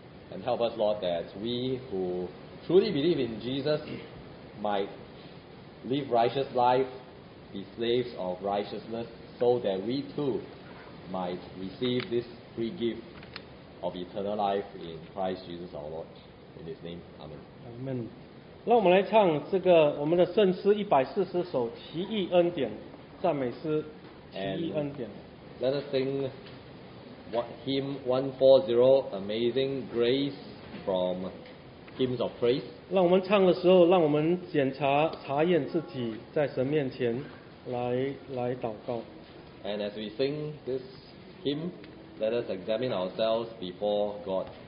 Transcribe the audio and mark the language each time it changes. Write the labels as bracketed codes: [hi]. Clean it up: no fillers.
[en] And help us, Lord, that we who truly believe in Jesus might live righteous life, be slaves of righteousness, so that we too might receive this free gift of eternal life in Christ Jesus our Lord. In his name, Amen. Amen. [zh] 让我们来唱这个我们的圣诗140首奇异恩典赞美诗奇异恩典。 [en] Let us sing hymn 140, Amazing Grace from Hymns of Praise. [zh] 让我们唱的时候，让我们检查查验自己，在神面前来祷告。 [en] And as we sing this hymn,Let us examine ourselves before God.